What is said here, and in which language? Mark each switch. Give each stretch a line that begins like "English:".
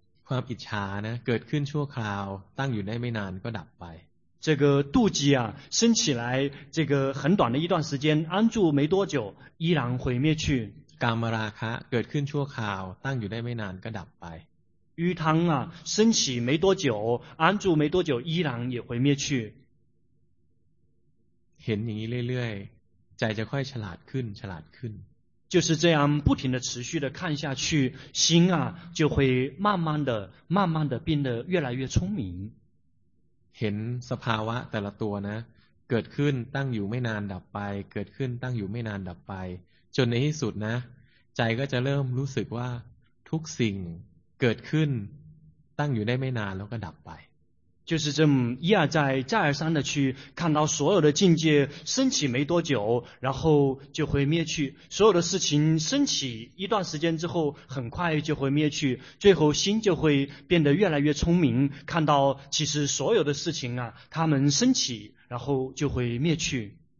Thai: ความอิจฉานะเกิดขึ้นชั่วคราวตั้งอยู่ได้ไม่นานก็ดับไป
Chinese: 这个妒忌啊升起来这个很短的一段时间安住没多久依然会灭去
Thai: กามราคะเกิดขึ้นชั่วคราวตั้งอยู่ได้ไม่นานก็ดับไป
Chinese: 欲贪啊升起没多久安住没多久依然也会灭去
Thai: เห็นอย่างนี้เรื่อยๆใจจะค่อยฉลาดขึ้นฉลาดขึ้น
Chinese: 就是这样不停的持续的看下去心啊就会慢慢的变得越来越聪明
Thai: เห็นสภาวะแต่ละตัวนะเกิดขึ้นตั้งอยู่ไม่นานดับไปเกิดขึ้นตั้งอยู่ไม่นานดับไปจนในที่สุดนะใจก็จะเริ่มรู้สึกว่าทุกสิ่งเกิดขึ้นตั้งอยู่ได้ไม่นานแล้วก็ดับไป
Chinese: 就是这么一而再再而三的去看到所有的境界升起没多久然后就会灭去所有的事情升起一段时间之后很快就会灭去最后心就会变得越来越聪明看到其实所有的事情啊他们升起然后就会灭去